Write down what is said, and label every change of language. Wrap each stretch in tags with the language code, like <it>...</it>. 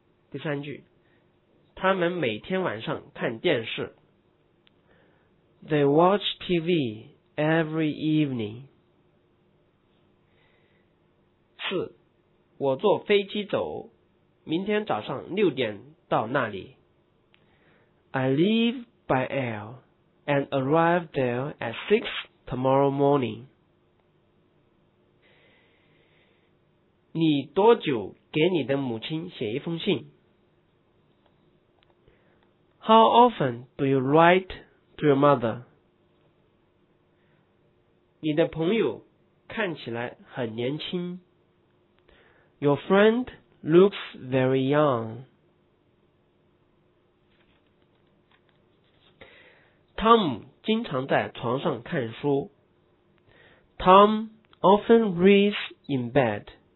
<zh>第三句，他们每天晚上看电视。</zh> <en>They watch TV every evening.</en> <zh>四，我坐飞机走，明天早上六点到那里。</zh> <en>I leave by air and arrive there at 6 tomorrow morning.</en> <zh>你多久给你的母亲写一封信？</zh> <en>How often do you write to your mother?</en> <zh>你的朋友看起来很年轻。</zh> <en>Your friend looks very young.</en> <zh>汤姆经常在床上看书。</zh> <en>Tom often reads in bed.</en>